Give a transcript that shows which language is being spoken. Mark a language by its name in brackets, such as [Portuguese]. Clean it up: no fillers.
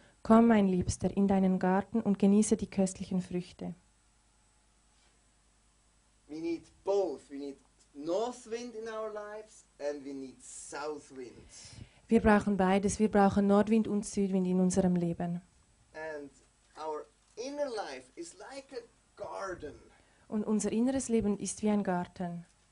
[German] Komm, mein Liebster, in deinen Garten und genieße die köstlichen Früchte. [English] We need both. We need north wind in our lives and we need south wind. [German] Wir brauchen beides, wir brauchen Nordwind und Südwind in unserem Leben. [English] And our inner life is like a garden. [German] Und unser inneres Leben ist wie ein Garten.